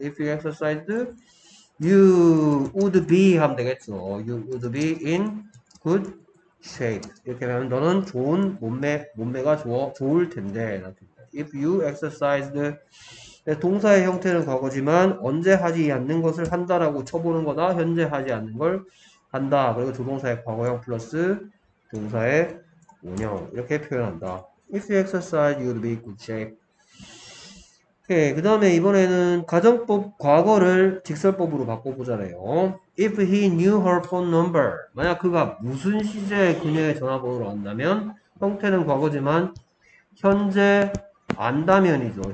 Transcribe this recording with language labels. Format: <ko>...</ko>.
<en>If you exercised, you would be 하면 되겠죠. You would be in good shape.</en> <ko>이렇게 하면 너는 좋은 몸매가 좋을 텐데.</ko> <en>If you exercised,</en> <ko>동사의 형태는 과거지만 언제 하지 않는 것을 한다라고 쳐보는 거다. 현재 하지 않는 걸 한다. 그리고 조동사의 과거형 플러스 동사의 원형 이렇게 표현한다.</ko> <en>If you exercised, you would be in good shape.</en> <ko>그 다음에 이번에는 가정법 과거를 직설법으로 바꿔보잖아요.</ko> <en>If he knew her phone number,</en> <ko>만약 그가 무슨 시제에 그녀의 전화번호를 안다면, 형태는 과거지만 현재 안다면이죠.</ko>